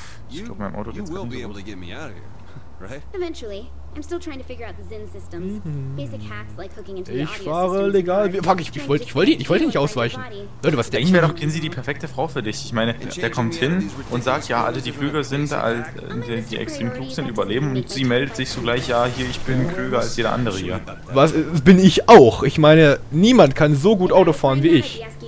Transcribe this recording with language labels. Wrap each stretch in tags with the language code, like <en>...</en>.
<de>Ich glaube, mein Auto geht.</de> <en>I'm still trying to figure out the Zen systems. Basic hacks like hooking into the audio system.</en> <de>Ich fahre legal. Fuck, ich wollte nicht ausweichen. Leute, was denkst du? Ich wäre doch Kinsey die perfekte Frau für dich. Ich meine, der kommt hin und sagt, ja, alle die Klüger sind, die extrem klug sind, überleben. Und sie meldet sich sogleich, ja, hier, ich bin klüger als jeder andere hier. Was bin ich auch? Ich meine, niemand kann so gut Auto fahren wie ich.</de>